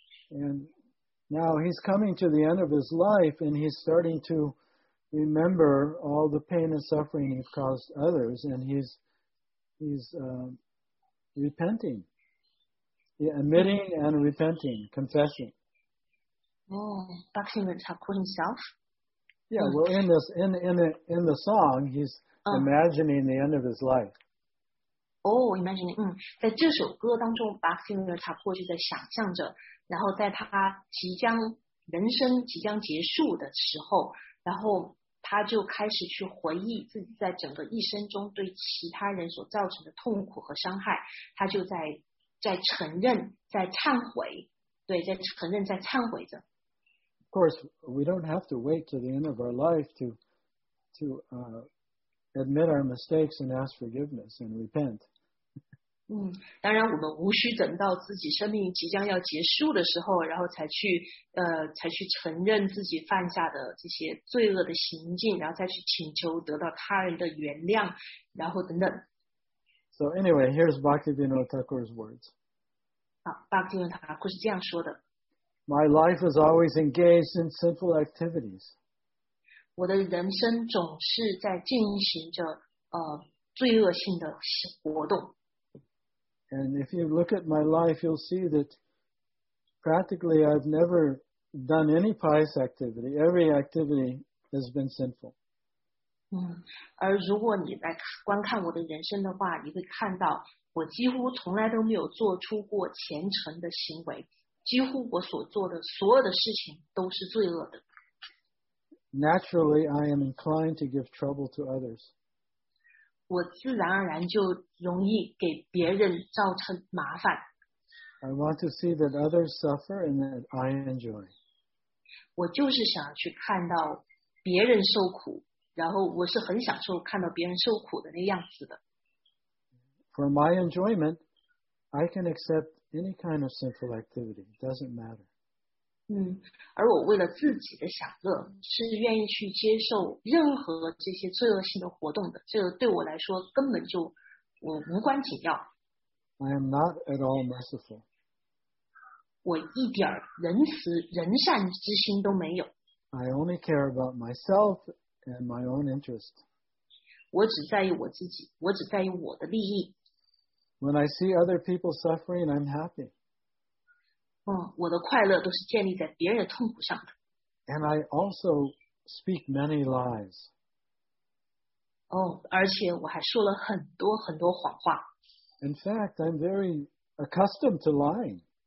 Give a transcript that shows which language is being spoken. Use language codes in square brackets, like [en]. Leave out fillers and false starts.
[en] And now he's coming to the end of his life and he's starting to remember all the pain and suffering he's caused others and he's repenting. Yeah, admitting and repenting, confessing. Bhakti Vinod Thakur himself? Yeah, well in the song he's imagining the end of his life. Imagining. [zh] 在这首歌当中 Bhakti Vinod Thakur 就在想象着，然后在他即将人生即将结束的时候，然后他就开始去回忆自己在整个一生中对其他人所造成的痛苦和伤害，他就在承认，在忏悔，对，在承认，在忏悔着。 [en] Of course, we don't have to wait to the end of our life to admit our mistakes and ask forgiveness and repent. [zh] 当然我们无需等到自己生命即将要结束的时候，然后才去承认自己犯下的这些罪恶的行径，然后再去请求得到他人的原谅，然后等等。 [en] So anyway, here's Bhakti Vinod Thakur's words. [zh] Bhakti Vinod Thakur 是这样说的。 [en] My life is always engaged in sinful activities. [zh] 我的人生总是在进行着罪恶性的活动。 [en] And if you look at my life, you'll see that practically I've never done any pious activity. Every activity has been sinful. [zh] 而如果你来观看我的人生的话，你会看到我几乎从来都没有做出过虔诚的行为，几乎我所做的所有的事情都是罪恶的。 [en] Naturally, I am inclined to give trouble to others. [zh] 我自然而然就容易给别人造成麻烦。 [en] I want to see that others suffer and that I enjoy. [zh] 我就是想去看到别人受苦，然后我是很享受看到别人受苦的那样子的。 [en] For my enjoyment, I can accept any kind of sinful activity. It doesn't matter. [zh] 而我为了自己的享乐，是愿意去接受任何这些罪恶性的活动的。这个对我来说根本就我无关紧要。 [en] I am not at all merciful. [zh] 我一点仁慈、仁善之心都没有。 [en] I only care about myself and my own interest. [zh] 我只在意我自己，我只在意我的利益。 [en] When I see other people suffering, I'm happy. [zh] 我的快乐都是建立在别人的痛苦上的。 [en] And I also speak many lies. [zh] 而且我还说了很多很多谎话。 [en] In fact, I'm very accustomed to lying.